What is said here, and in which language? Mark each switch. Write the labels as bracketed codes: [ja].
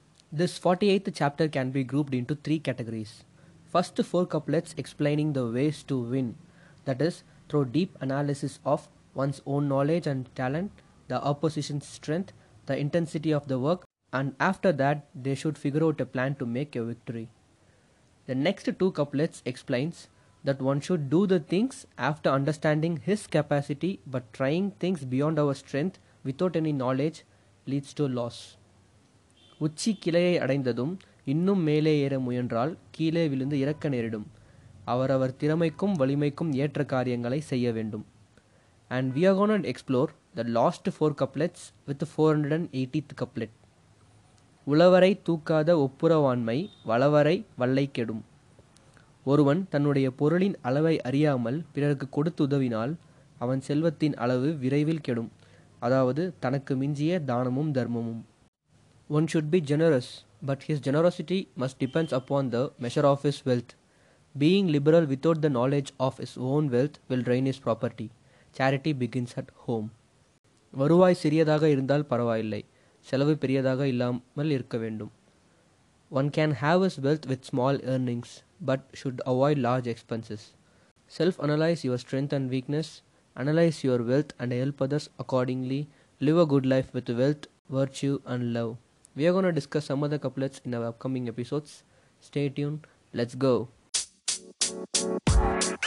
[en] This 48th chapter can be grouped into three categories. First, four couplets explaining the ways to win, that is, through deep analysis of one's own knowledge and talent, the opposition's strength, the intensity of the work, and after that, they should figure out a plan to make a victory. The next two couplets explains that one should do the things after understanding his capacity, but trying things beyond our strength without any knowledge leads to loss. [ta] உச்சி கிளையை அடைந்ததும் இன்னும் மேலே ஏற முயன்றால் கீழே விழுந்து இறக்க நேரிடும். அவரவர் திறமைக்கும் வலிமைக்கும் ஏற்ற காரியங்களை செய்ய வேண்டும். [en] And we are going to explore the last four couplets with the 480th couplet. [ta] உளவரை தூக்காத ஒப்புரவாண்மை வளவரை வல்லை கெடும். ஒருவன் தன்னுடைய பொருளின் அளவை அறியாமல் பிறருக்கு கொடுத்து உதவினால் அவன் செல்வத்தின் அளவு விரைவில் கெடும். அதாவது தனக்கு மிஞ்சிய தானமும் தர்மமும். [en] One should be generous, but his generosity must depends upon the measure of his wealth. Being liberal without the knowledge of his own wealth will drain his property. Charity begins at home. [ta] வருவாய் சிறியதாக இருந்தால் பரவாயில்லை, செலவு பெரியதாக இல்லாமல் இருக்க வேண்டும். [en] One can have his wealth with small earnings, but should avoid large expenses. Self-analyze your strength and weakness, analyze your wealth and help others accordingly, live a good life with wealth, virtue and love. We are going to discuss some of the couplets in our upcoming episodes. Stay tuned. Let's go.